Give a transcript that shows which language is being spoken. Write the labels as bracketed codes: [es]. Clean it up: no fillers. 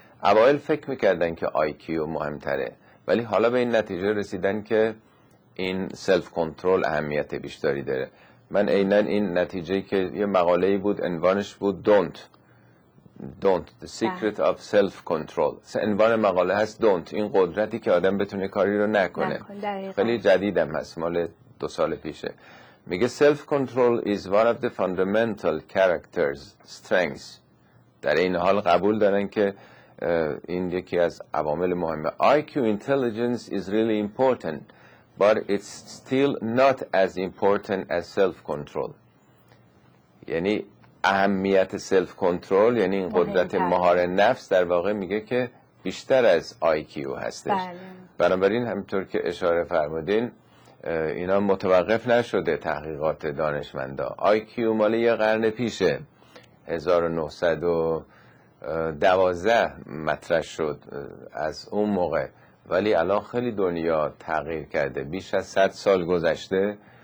[fa] اوائل فکر میکردن که IQ مهمتره، ولی حالا به این نتیجه رسیدن که این سلف کنترل اهمیت بیشتری داره. من اینن این نتیجه که یه مقاله‌ای بود، عنوانش بود [en] Don't The Secret of Self-Control، [fa] عنوان مقاله هست Don't، این قدرتی که آدم بتونه کاری رو نکنه. خیلی جدیدم هست، مال 2 سال پیشه. [en] میگه Self-control is one of the fundamental characters, strengths. [fa] در این حال قبول دارن که این یکی از عوامل مهمه. [en] IQ intelligence is really important, but it's still not as important as self-control. [fa] یعنی اهمیت self-control، یعنی این قدرت مهار نفس، در واقع میگه که بیشتر از IQ هستش. بنابراین همینطور که اشاره فرمودین، اینا متوقف نشده تحقیقات دانشمندا. IQ مال یه قرن پیشه، 1912 مطرح شد از اون موقع، ولی الان خیلی دنیا تغییر کرده، بیش از 100 سال گذشته.